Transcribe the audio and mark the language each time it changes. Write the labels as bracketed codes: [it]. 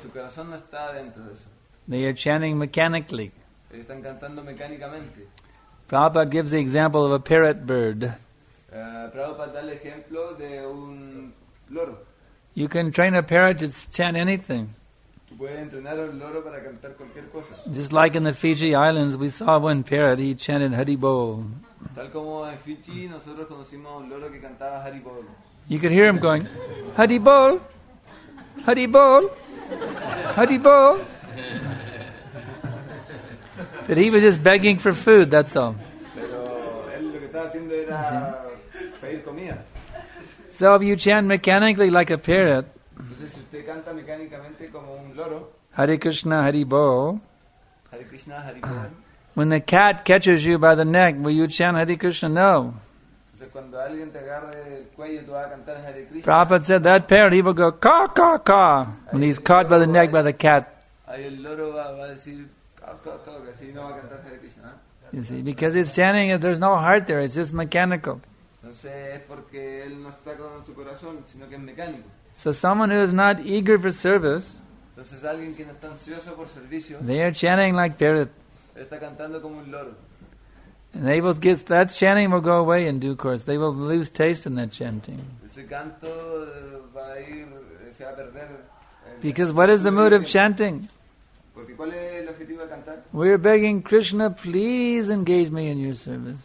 [es] Su corazón no está dentro de eso. [en] They are chanting mechanically. [es] Ellos están cantando mecánicamente. [en] Prabhupada gives the example of a parrot bird. [es] Prabhupada da el ejemplo de un loro. [en] You can train a parrot to chant anything. [es] Puede entrenar a un loro para cantar cualquier cosa. [en] Just like in the Fiji Islands, we saw one parrot, he chanted Haribol. [es] Tal como en Fiji, nosotros conocimos a un loro que cantaba Haribol. [en] You could hear him going, Haribol, Haribol, Haribol. But he was just begging for food, that's all. [es] Pero él lo que estaba haciendo era pedir comida. [en] So if you chant mechanically like a parrot, [es] canta mecánicamente como un loro. [sa] Hare Krishna, Hare Bol. Hare Krishna, Hare Bol. [en] When the cat catches you by the neck, will you chant Hare Krishna? [es] No. Entonces, cuando alguien te agarre el cuello, tú vas a cantar Hare Krishna. [en] Prabhupada said that parrot, he will go, ka, ka, ka, when he's caught by the neck by the cat. [es] Ahí el loro va a decir, ka, ka, ka, así no va a cantar Hare Krishna. [en] You see, because he's chanting, there's no heart there, it's just mechanical. [es] Entonces, es porque él no está con su corazón, sino que es mecánico. [en] So someone who is not eager for service, [es] entonces, alguien que no está ansioso por servicio, [en] they are chanting like parrot. [es] Está cantando como un loro. [en] And they will get, that chanting will go away in due course. They will lose taste in that chanting. [es] Ese canto va a ir, se va a perder. [en] Because what is the mood of chanting? [es] Porque ¿cuál es el objetivo de cantar? [en] We are begging Krishna, please engage me in your service.